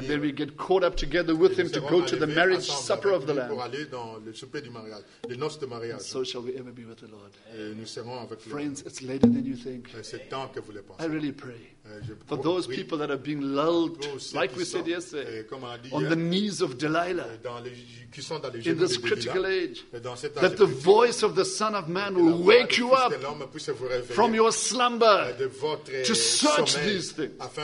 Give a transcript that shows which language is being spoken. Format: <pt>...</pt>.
<en>And then we get caught up together with him to go to the marriage supper of the Lamb.</en> <fr>Pour aller dans le souper du mariage, les noces de mariage.</fr> <en>And so shall we ever be with the Lord.</en> <fr>Et nous serons avec</fr> <en>friends,</en> <fr>le</fr> <en>it's later than you think.</en> <fr>C'est temps que vous le pensez.</fr> <en>I really pray. For those people that are being lulled, like we said yesterday, on the knees of Delilah, in this critical age, that the voice of the Son of Man will wake you up from your slumber to search these things.</en>